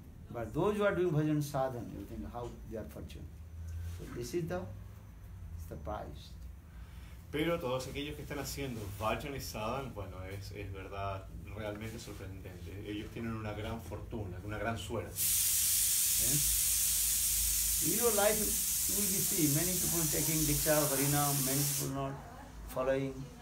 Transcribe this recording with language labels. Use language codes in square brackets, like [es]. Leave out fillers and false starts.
[en] But those who are doing bhajan sadhana, you think how they are fortunate. So this is the surprised. [es] Pero todos aquellos que están haciendo Vajan y Sadhan, bueno, es verdad, realmente sorprendente. Ellos tienen una gran fortuna, una gran suerte. [en] In your life, you will see many people taking diksha, harinam, many people not following.